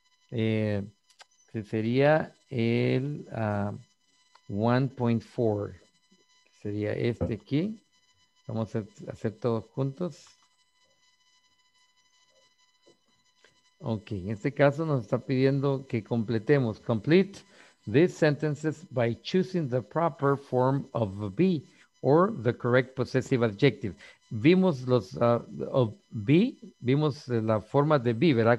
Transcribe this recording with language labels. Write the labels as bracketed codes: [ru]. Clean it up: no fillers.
[es] Que sería el 1.4. Sería este aquí. Vamos a hacer todos juntos. Ok, en este caso nos está pidiendo que completemos. [en] Complete these sentences by choosing the proper form of be or the correct possessive adjective. [es] Vimos los of be, vimos la forma de be, ¿verdad?